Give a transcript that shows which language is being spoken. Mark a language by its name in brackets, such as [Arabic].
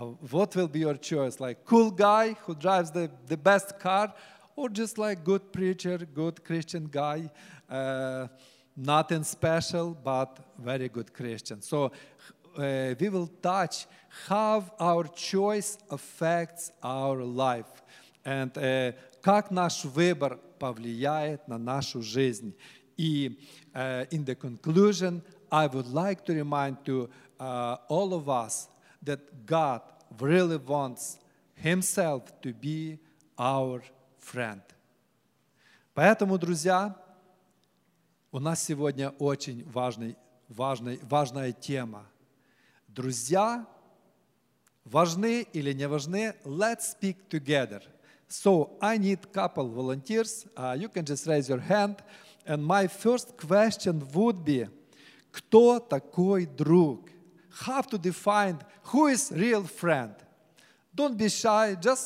[English] What will be your choice? Like cool guy who drives the best car, or just like good preacher, good Christian guy, nothing special, but very good Christian. So we will touch how our choice affects our life. And [Russian] как наш выбор повлияет на нашу жизнь. И [English] in the conclusion, I would like to remind to all of us that God really wants Himself to be our friend. [Russian] Поэтому, друзья, у нас сегодня очень важная тема. Друзья важны или не важны? [English] Let's speak together. So I need a couple volunteers. You can just raise your hand. And my first question would be, [Russian] кто такой друг? [English] How to define who is real friend? Don't be shy.